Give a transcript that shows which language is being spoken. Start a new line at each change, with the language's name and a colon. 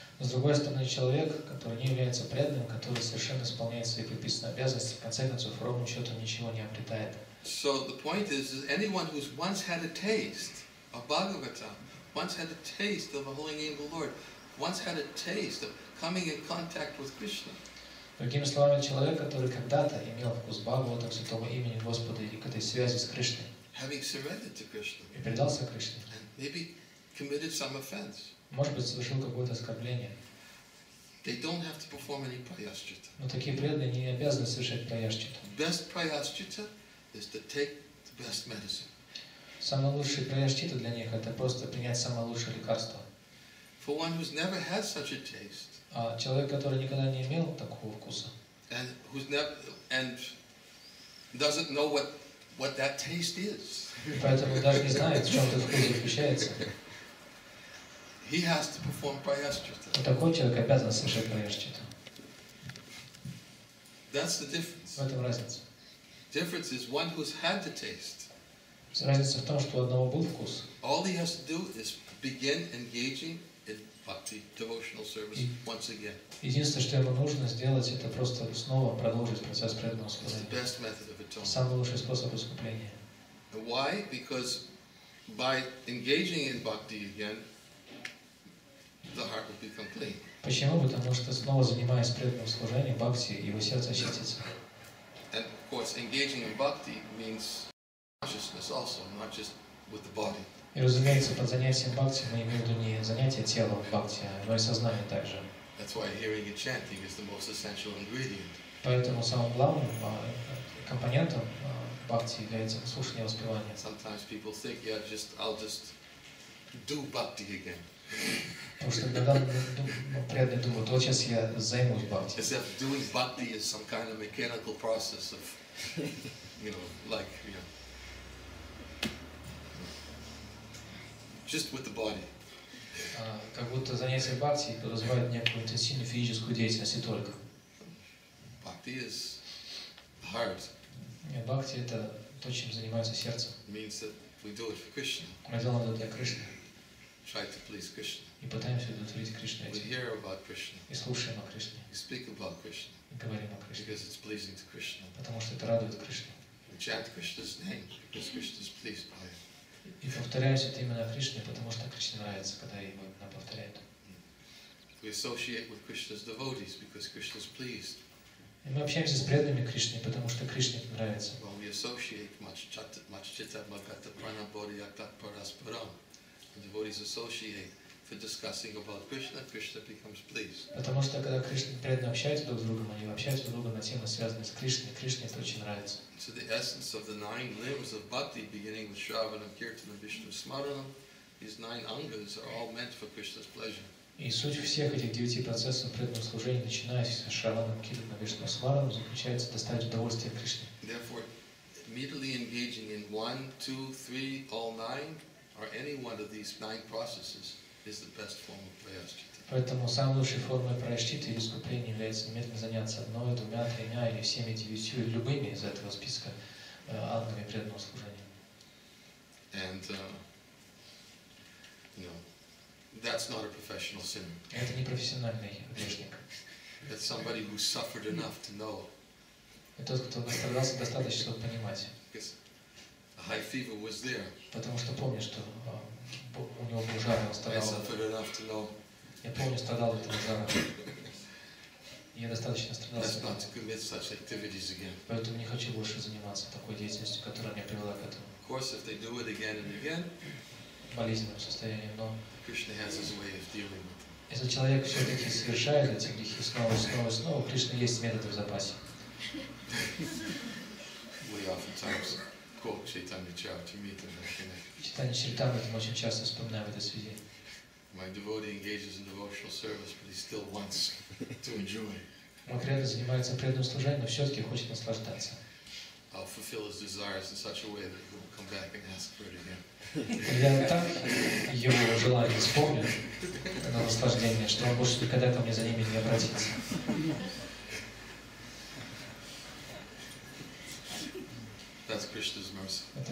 Russian: С другой стороны, человек, который не является преданным, который совершенно исполняет свои приписанные обязанности, в конце концов, ровным счетом ничего не обретает.
English: So the point is anyone who's once had a taste of Bhagavatam, once had a taste of the holy name of the Lord, once had a taste of coming in contact with Krishna.
Russian: Другими словами, человек, который когда-то имел вкус Бхагаватам, святого имени Господа и к этой связи с Кришной.
English: Having surrendered to Krishna.
Russian: И предался Кришне.
English: And maybe committed some offense.
Russian: Может быть, совершил какое-то оскорбление.
English: They don't have to perform any prayaschita.
Russian: Но такие преданные не обязаны совершать prayaschita.
English: Best prayaschita is to take the best medicine.
Russian: Самое лучшее прияштита для них это просто принять самое лучшее лекарство.
English: For one who's never had such a taste.
Russian: А человек, который никогда не имел такого вкуса.
English: And who's never and doesn't know what that taste is.
Russian: Поэтому даже не знает, в чем этот вкус заключается.
English: He has to perform prayaschita.
Russian: Вот такой человек обязан совершать прияштита.
English: That's the difference.
Russian: В этом разница.
English: Difference is one who's had the taste.
Russian: Разница в том, что у одного был вкус.
English: All he has to do is begin engaging in bhakti devotional service once again.
Russian: Единственное, что ему нужно сделать, это просто снова продолжить процесс преданного служения.
English: It's the best method of atonement.
Russian: Самый лучший способ искупления.
English: Why? Because by engaging in bhakti again, the heart will become clean.
Russian: Почему? Потому что снова занимаясь преданным служением бхакти, его сердце очистится.
English: And of course, engaging in bhakti means consciousness also, not just with the body.
Russian: И разумеется, под занятием бхакти мы имеем в виду не занятие тела в бхакти, но и сознание также.
English: That's why hearing and chanting is the most essential ingredient.
Russian: Поэтому самым главным компонентом бхакти является слушание и воспевание.
English: Sometimes people think, yeah, I'll just do bhakti again.
Russian: Потому что иногда преданный думает, вот сейчас я займусь бхакти.
English: As if doing bhakti is some kind of mechanical process of, you know, like, you know, just with the body.
Russian: Как будто занятие бхакти подразумевает некую интенсивную физическую деятельность и только.
English: Bhakti is heart.
Russian: Нет, бхакти это то, чем занимается сердце.
English: Means that we do it for Krishna.
Russian: Мы делаем это для Кришны.
English: Try to please Krishna.
Russian: И пытаемся удовлетворить Кришну.
English: We hear about Krishna.
Russian: И слушаем о Кришне.
English: We speak about Krishna.
Russian: И говорим о Кришне.
English: Because it's pleasing to Krishna.
Russian: Потому что это радует Кришну.
English: We chant Krishna's name because Krishna is pleased by it.
Russian: И повторяем это имя Кришны, потому что Кришне нравится, когда его на повторяют.
English: We associate with Krishna's devotees because Krishna is pleased.
Russian: И мы общаемся с преданными Кришне, потому что Кришне это нравится.
English: Well, we associate
Sanskrit: machchitta magata pranabodhyakta parasparam.
English: The devotees associate for discussing about Krishna. Krishna becomes pleased.
Russian: Потому что когда Кришна преданно общается друг с другом, они общаются друг с другом на темы, связанные с Кришной. Кришне это очень нравится.
English: So the essence of the nine limbs of bhakti, beginning with Shravanam, Kirtanam, Vishnu, Smaranam, these nine angas are all meant for Krishna's pleasure.
Russian: И суть всех этих девяти процессов преданного служения, начиная с Шраванам, Киртанам, Вишну, Смаранам, заключается доставить удовольствие Кришне.
English: Therefore, immediately engaging in one, two, three, all nine. Or any one of these nine processes is the best form of prayaschita.
Russian: Поэтому самой лучшей формой прайаштиты и искупления является немедленно заняться одной, двумя, тремя или всеми девятью или любыми из этого списка ангами преданного служения.
English: And no, that's not a professional sinner.
Russian: Это не профессиональный грешник.
English: That's somebody who suffered enough to know.
Russian: Это тот, кто пострадался достаточно, чтобы понимать.
English: High fever was there.
Russian: Потому что помню, что у него был жар, он страдал.
English: I suffered enough to know.
Russian: Я помню, страдал от этого жара. Я достаточно страдал.
English: Let's not commit such activities again.
Russian: Поэтому не хочу больше заниматься такой деятельностью, которая меня привела к этому.
English: Of course, if they do it again and again,
Russian: болезненное состояние, но
English: Krishna has his way of dealing with them.
Russian: Если человек все-таки совершает эти грехи снова, снова, снова, Кришна есть методы в запасе.
English: We oftentimes quote Chaitanya Charitamrita and Connect.
Russian: Chaitanya Charitamrita мы очень часто вспоминаем в этой связи.
English: My devotee engages in devotional service, but he still wants to enjoy.
Russian: Мой преданный занимается преданным служением, но все-таки хочет наслаждаться.
English: I'll fulfill his desires in such a way that he will come back and ask for it again.
Russian: Я так его желание исполню на наслаждение, что он больше никогда ко мне за ними не обратится.
English: That's Krishna's mercy.